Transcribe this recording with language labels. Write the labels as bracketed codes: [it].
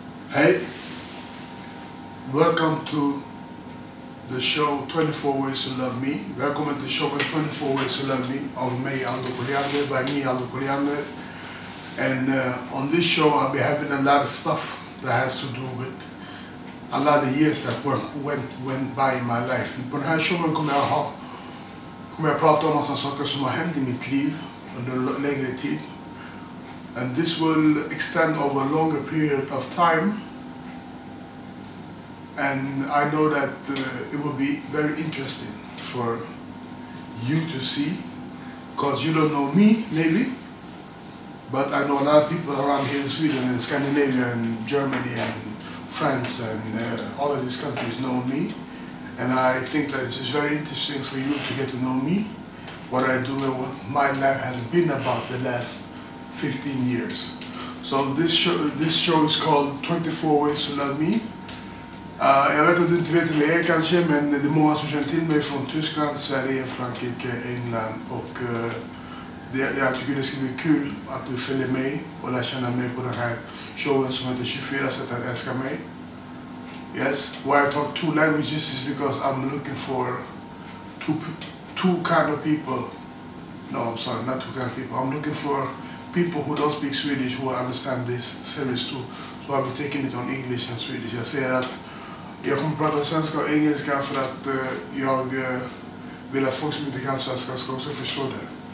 [en] Hey. Welcome to the show 24 Ways to Love Me. Welcome to the show 24 Ways to Love Me. Of me, Aldo Colliander. By me, Aldo Colliander. And on this show, I'll be having a lot of stuff that has to do with a lot of years that went by in my life. [sv] På den här showen kommer jag prata om massa saker som har hänt i mitt liv under längre tid. [en] And this will extend over a longer period of time. And I know that it will be very interesting for you to see, because you don't know me, maybe. But I know a lot of people around here in Sweden and Scandinavia and Germany and France and all of these countries know me. And I think that it's very interesting for you to get to know me, what I do and what my life has been about the last 15 years. So this show is called 24 Ways to Love Me. [sv] Jag vet att du inte vet vem jag är kanske, men det är många som känner till mig från Tyskland, Sverige, Frankrike, England och... Jag tycker det ska bli kul att du följer mig och lär känna mig på den här showen som heter 24 sätt att älska mig. [en] Yes, why I talk two languages is because I'm looking for two kind of people. No, I'm sorry, not two kind of people. I'm looking for people who don't speak Swedish who understand this series too. So I'll be taking it on English and Swedish. [sv] Jag säger att jag kommer prata svenska och engelska för att jag vill att folk som inte kan svenska ska också förstå det.